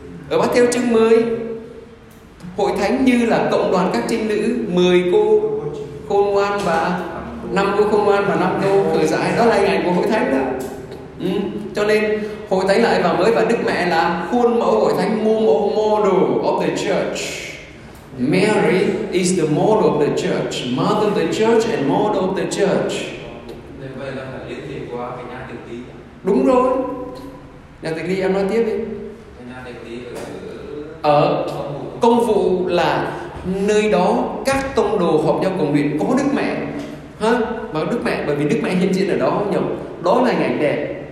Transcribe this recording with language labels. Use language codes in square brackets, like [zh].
[vi] Ở Matthew chương 10, Hội Thánh như là cộng đoàn các trinh nữ, 10 cô khôn ngoan và 5 cô khôn ngoan và 5 cô khởi dại. Đó là hình ảnh của Hội Thánh đó. Cho nên Hội Thánh là Eva mới và Đức Mẹ là khuôn mẫu Hội Thánh, [en] model of the church. Mary is the model of the church, mother of the church and model of the church. [vi] Vậy là phải liên hệ qua cái nhà tịch ly. Đúng rồi. Nhà tịch ly em nói tiếp đi. Cái nhà tịch ly ở công vụ là nơi đó các tông đồ họp nhau cầu nguyện có Đức Mẹ. Hả? Và Đức Mẹ, bởi vì Đức Mẹ hiện diện ở đó nhiều. Đó là ngày đẹp.